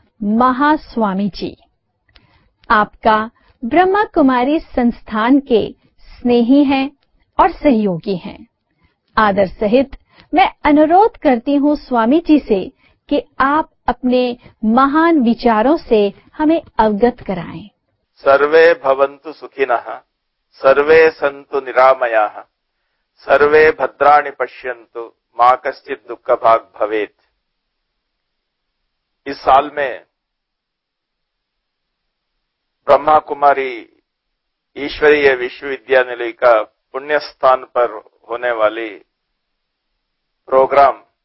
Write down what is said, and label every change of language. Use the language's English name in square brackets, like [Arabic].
[Hindi] महास्वामी जी, आपका ब्रह्मा कुमारी संस्थान के स्नेही हैं और सहयोगी हैं। आदर सहित मैं अनुरोध करती हूँ स्वामी जी से कि आप अपने महान विचारों से हमें अवगत कराएं। [Sanskrit] सर्वे भवन्तु सुखिनः, सर्वे सन्तु निरामयाः, सर्वे भद्राणि पश्यन्तु, मा कश्चित् दुःख भाग् भवेत्। [Hindi] इस साल में ब्रह्मा कुमारी ईश्वरीय विश्वविद्यालय का पुण्य स्थान पर होने वाली प्रोग्राम